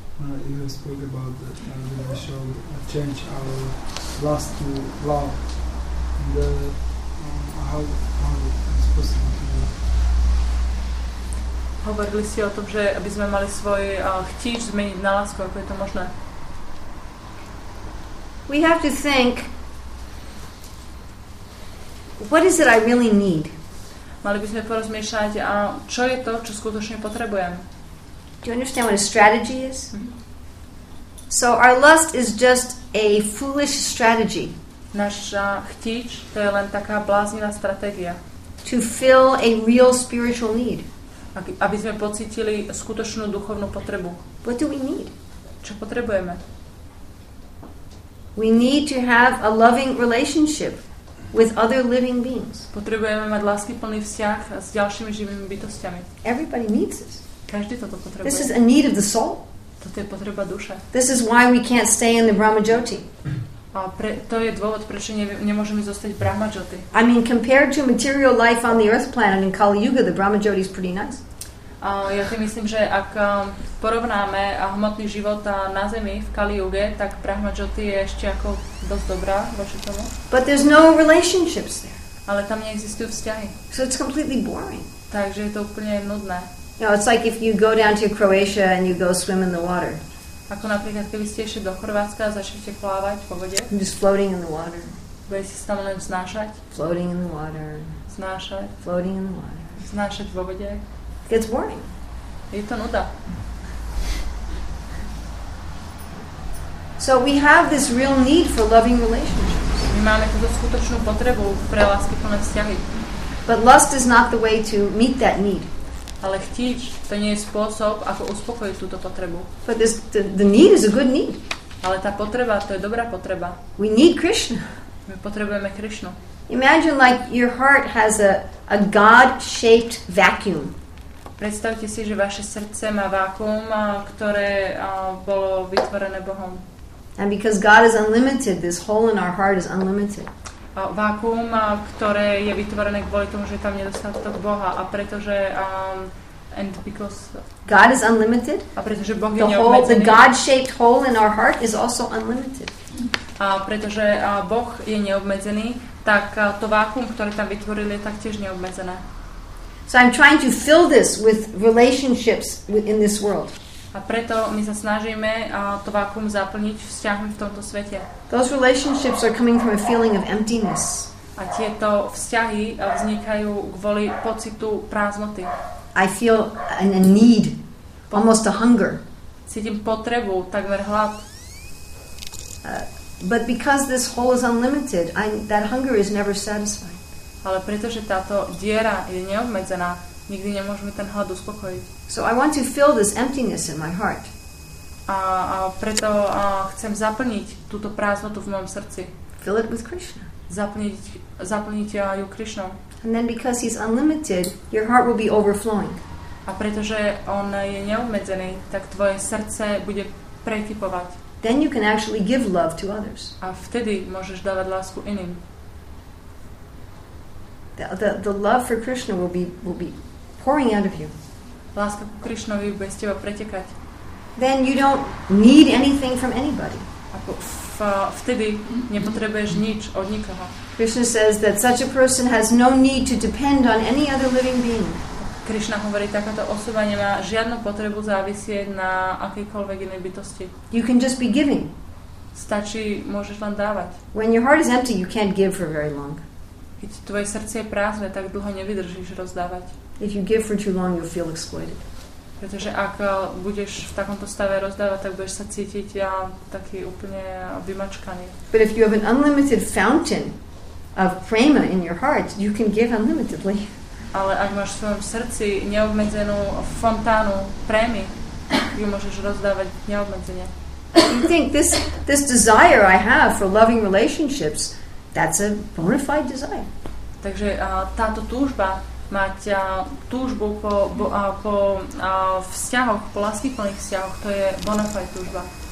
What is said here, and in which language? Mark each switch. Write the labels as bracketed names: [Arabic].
[English] You have spoken about that and we shall change our lust to love. And how is it possible to do? [Slovak] hovorili si o tom, že aby sme mali svoj chtíč zmeniť na lásku, ako je to možné? [English] We have to think, what is it I really need? [Slovak] Mali by sme porozmýšľať, a čo je to, čo skutočne potrebujem? [English] Do you understand what a strategy is? So our lust is just a foolish strategy. [Slovak] Naša chtíč, to je len taká bláznivá stratégia. [English] To fill a real spiritual need. [Slovak] Aby sme pocítili skutočnú duchovnú potrebu. [English] What do we need? [Slovak] Čo potrebujeme? [English] We need to have a loving relationship with other living beings. [Slovak] Potrebujeme mať láskyplný vzťah s ďalšími živými bytostiami. [English] Everybody needs this. [Slovak] Každý toto potrebuje. [English] This is a need of the soul. [Slovak] Toto je potreba duše. [English] This is why we can't stay in the Brahmajyoti. [Slovak] A pre, to je dôvod, prečo nemôžeme zostať v Brahmajyoti. [English] I mean, compared to material life on the earth planet in Kali Yuga, the Brahmajyoti is pretty nice. [Slovak] Ja si myslím, že ak porovnáme hmotný život na Zemi v Kali Yuge, tak Brahmajyoti je ešte ako dosť dobrá voči tomu. [English] But there's no relationships there. [Slovak] Ale tam neexistujú vzťahy. [English] So it's completely boring. [Slovak] Takže je to úplne nudné. [English] You know, it's like if you go down to Croatia and you go swim in the water. [Slovak] Ako napríklad, keby ste išli do Chorvátska a začnete plávať po vode. [English] I'm just floating in the water. [Slovak] Budete sa tam len znášať. [English] Floating in the water. [Slovak] Znášať. [English] Floating in the water. [Slovak] Znášať po vode. [English] It's boring. [Slovak] Je to nuda. [English] So we have this real need for loving relationships. [Slovak] My máme túto skutočnú potrebu pre láskyplné vzťahy. [English] But lust is not the way to meet that need. [Slovak] Ale chtíč, to nie je spôsob, ako uspokojiť túto potrebu. [English] But this, the need is a good need. [Slovak] Ale tá potreba, to je dobrá potreba. [English] We need Krishna. [Slovak] My potrebujeme Krishnu. [English] Imagine like your heart has a God-shaped vacuum. [Slovak] Predstavte si, že vaše srdce má vákuum, ktoré bolo vytvorené Bohom. [English] And because God is unlimited, this hole in our heart is unlimited. [Slovak] Vákuum, ktoré je vytvorené kvôli tomu, že tam nedostatok Boha, a pretože [English] and because God is unlimited. [Slovak] A pretože Boh je neobmedzený. [English] The God-shaped hole in our heart is also unlimited. [Slovak] A pretože Boh je neobmedzený, tak to vákuum, ktoré tam vytvorili, je taktiež neobmedzené. [English] So I'm trying to fill this with relationships in this world. [Slovak] A preto my sa snažíme to vákuum zaplniť vzťahmi v tomto svete. [English] Those relationships are coming from a feeling of emptiness. [Slovak] A tieto vzťahy vznikajú kvôli pocitu prázdnoty. [English] I feel a need, almost a hunger. [Slovak] Cítim potrebu, takmer hlad. [English] But because this hole is unlimited, that hunger is never satisfied. [Slovak] Ale pretože táto diera je neobmedzená, nikdy nemôžeme ten hlad uspokojiť. [English] So I want to fill this emptiness in my heart. [Slovak] A preto chcem zaplniť túto prázdnotu v mojom srdci. [English] Fill it with Krishna. [Slovak] Zaplniť ju Krishnou. [English] And then because he's unlimited, your heart will be overflowing. [Slovak] A pretože on je neobmedzený, tak tvoje srdce bude pretipovať. [English] Then you can actually give love to others. [Slovak] A vtedy môžeš dávať lásku iným. [English] The love for Krishna will be pouring out of you. [Slovak] Láska ku Krišnovi bude z teba pretekať. [English] Then you don't need anything from anybody. [Slovak] Vtedy nepotrebuješ nič od nikoho. [English] Krishna says that such a person has no need to depend on any other living being. [Slovak] Krishna hovorí, takáto osoba nemá žiadnu potrebu závisieť na akejkoľvek inej bytosti. [English] You can just be giving. [Slovak] Stačí, môžeš len dávať. [English] When your heart is empty, you can't give for very long. [Slovak] Keď tvoje srdce je prázdne, tak dlho nevydržíš rozdávať. [English] If you give for too long, you'll feel exploited. [Slovak] Pretože ak budeš v takomto stave rozdávať, tak budeš sa cítiť taký úplne vymačkaný. [English] But if you have an unlimited fountain of prema in your heart, you can give unlimitedly. [Slovak] Ale ak máš v svojom srdci neobmedzenú fontánu prémy, ju môžeš rozdávať neobmedzene. [English] You think this desire I have for loving relationships, that's a bona fide desire. [Slovak] Takže táto túžba mať túžbu po vzťahoch, po láskyplných vzťahoch, to je bona fide túžba.